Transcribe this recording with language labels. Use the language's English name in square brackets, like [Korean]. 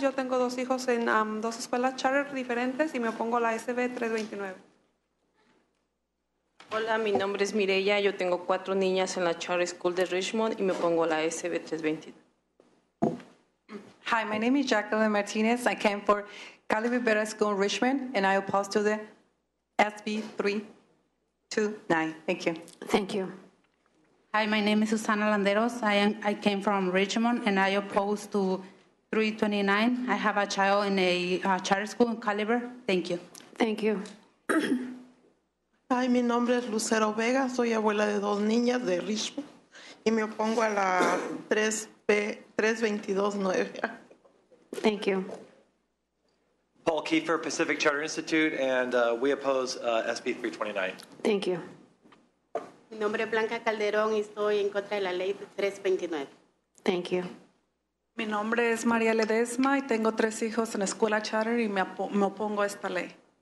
[Spanish] Yo tengo dos hijos en dos escuelas charter diferentes y me opongo a la SB 329. Hola, mi nombre es Mireya. Yo tengo 4 niñas en la Charter School de Richmond y me opongo a la SB 329. [English] Hi, my name is Jacqueline Martinez. I came for Caliber Beta School in Richmond and I oppose to the SB 329. Thank you. Thank you. Hi, my name is Susana Landeros. I came from Richmond, and I oppose to 329. I have a child in a charter school in Caliber. Thank you. Thank you. [Spanish] Hi, mi nombre es Lucero Vega. Soy abuela de 2 niñas de Richmond, y me opongo a la 3229. [English] Thank you. Paul Kiefer, Pacific Charter Institute, and we oppose SB 329. Thank you. [Spanish] Mi nombre es Blanca Calderón y estoy en contra de la ley 329. [English] Thank you. [Spanish] Mi nombre es María Ledesma y tengo 3 hijos en la escuela charter y me opongo a esta ley.